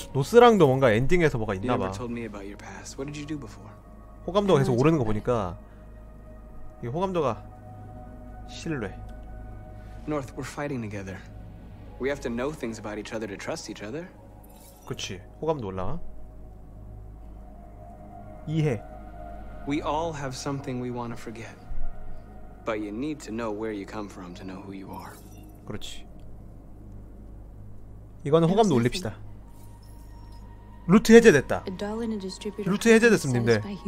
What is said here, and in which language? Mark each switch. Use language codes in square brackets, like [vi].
[ko] 노스랑도 뭔가 엔딩에서 뭐가 있나 봐. [en] You never told me about your past. What did you do before? [ko] 호감도가 계속 오르는 거 보니까 이 호감도가 신뢰. [en] North, we're fighting together. We have to know things about each other to trust each other. [ko] 그렇지. 호감도 올라와. 이해. [en] We all have something we want to forget. But you need to know where you come from to know who you are. [ko] 그렇지. 이거는 호감도 올립시다. 루트 해제됐다. 루트 해제됐습니다.